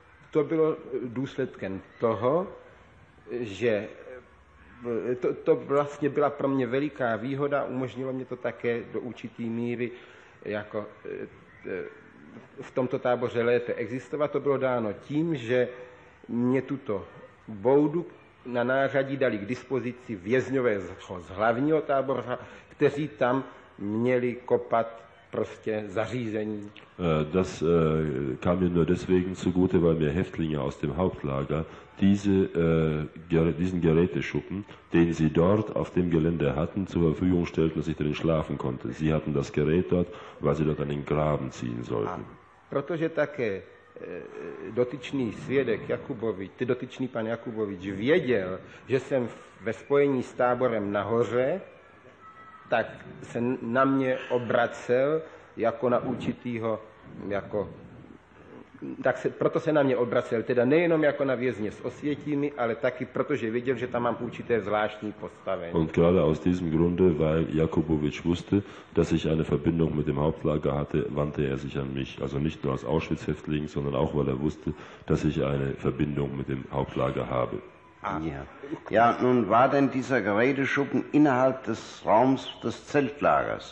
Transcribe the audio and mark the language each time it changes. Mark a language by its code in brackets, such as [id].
[cs] To bylo důsledkem toho, že to vlastně byla pro mě veliká výhoda, umožnilo mě to také do určitý míry jako v tomto táboře léte existovat. To bylo dáno tím, že mě tuto boudu na nářadí dali k dispozici vězňové z hlavního tábora, kteří tam měli kopat prostě zařízení. [de] Das kam mir nur deswegen zugute, weil mir Häftlinge aus dem Hauptlager diesen Geräteschuppen, den sie dort auf dem Gelände hatten, zur Verfügung stellten, dass ich drin schlafen konnte. Sie hatten das Gerät dort, weil sie dort einen Graben ziehen sollten. [cs] Protože také dotyčný svědek Jakubovič, ty dotyčný pan Jakubovič věděl, že jsem ve spojení s táborem nahoře, tak se na mě obracel jako na určitýho, jako, tak se, proto se na mě obracel, teda nejenom jako na vězně s Osvětími, ale taky protože věděl, že tam mám určité zvláštní postavení. [de] Und gerade aus diesem Grunde, weil Jakubovič wusste, dass ich eine Verbindung mit dem Hauptlager hatte, wandte sich an mich. Also nicht nur als Auschwitz-Häftling, sondern auch, weil wusste, dass ich eine Verbindung mit dem Hauptlager habe. Ja, nun war denn dieser Geräteschuppen innerhalb des Raums des Zeltlagers?